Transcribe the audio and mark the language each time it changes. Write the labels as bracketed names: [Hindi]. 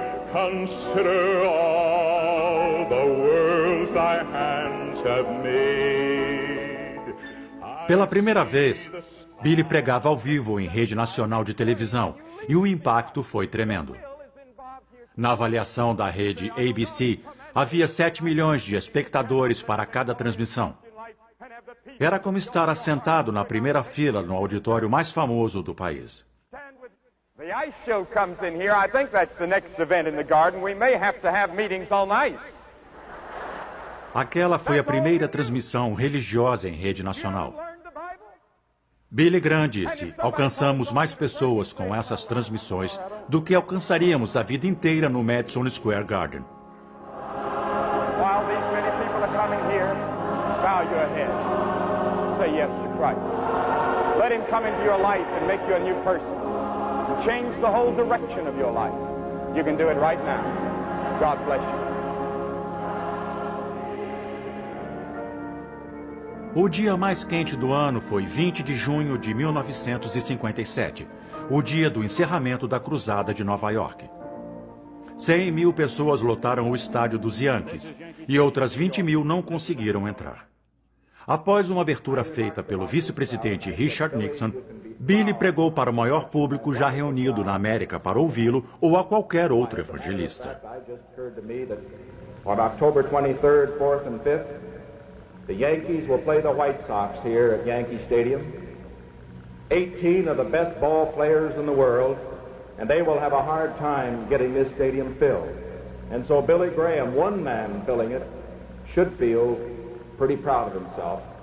[English] Consider all the worlds thy hands have made. [Portuguese] Pela primeira vez, Billy pregava ao vivo em rede nacional de televisão, e o impacto foi tremendo. Na avaliação da rede ABC, havia 7 milhões de espectadores para cada transmissão. Era como estar assentado na primeira fila no auditório mais famoso do país. [English] The ice show comes in here. I think that's the next event in the garden. We may have to have meetings on ice. [Portuguese] Aquela foi a primeira transmissão religiosa em rede nacional. Billy Graham disse: "Alcançamos mais pessoas com essas transmissões do que alcançaríamos a vida inteira no Madison Square Garden." [English] While these many people are coming here, bow your head. Say yes to Christ. Let him come into your life and make you a new person. Change the whole direction of your life. You can do it right now. God bless you. [Portuguese] O dia mais quente do ano foi 20 de junho de 1957, o dia do encerramento da Cruzada de Nova York. 100 mil pessoas lotaram o estádio dos Yankees e outras 20 mil não conseguiram entrar. Após uma abertura feita pelo vice-presidente Richard Nixon, Billy pregou para o maior público já reunido na América para ouvi-lo ou a qualquer outro evangelista. [English] On October 23rd, 4th and 5th, the Yankees will play the White Sox here at Yankee Stadium. 18 of the best ball players in the world, and they will have a hard time getting this stadium filled. And so Billy Graham, one man filling it, should feel pretty proud of himself.